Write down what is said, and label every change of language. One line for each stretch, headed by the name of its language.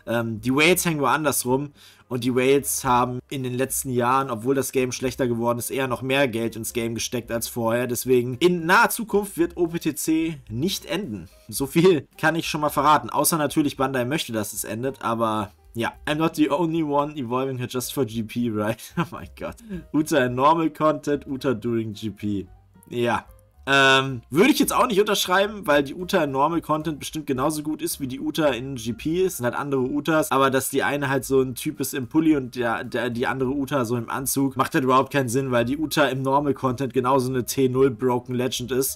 German: Die Whales hängen woanders rum. Und die Whales haben in den letzten Jahren, obwohl das Game schlechter geworden ist, eher noch mehr Geld ins Game gesteckt als vorher. Deswegen, in naher Zukunft wird OPTC nicht enden. So viel kann ich schon mal verraten. Außer natürlich Bandai möchte, dass es endet, aber...
English: Ja, I'm not the only one evolving her just for GP, right?
German: Oh mein Gott.
English: Uta in normal content, Uta during GP. Ja.
German: Würde ich jetzt auch nicht unterschreiben, weil die Uta in Normal Content bestimmt genauso gut ist, wie die Uta in GP ist. Sind halt andere Utas, aber dass die eine halt so ein Typ ist im Pulli und die andere Uta so im Anzug, macht halt überhaupt keinen Sinn, weil die Uta im Normal Content genauso eine T0 Broken Legend ist.